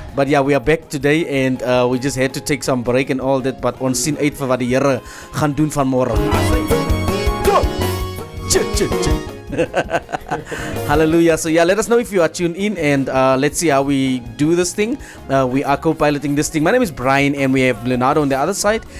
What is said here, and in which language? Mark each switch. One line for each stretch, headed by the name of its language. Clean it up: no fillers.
English: But yeah, we are back today and we just had to take some break and all that.
Afrikaans: But ons sien uit vir wat die Here gaan doen vanmôre. Go! Ch-ch-ch. Hallelujah.
English: So yeah, let us know if you are tuned in and let's see how we do this thing. We are co-piloting this thing. My name is Brian and we have Leonardo on the other side.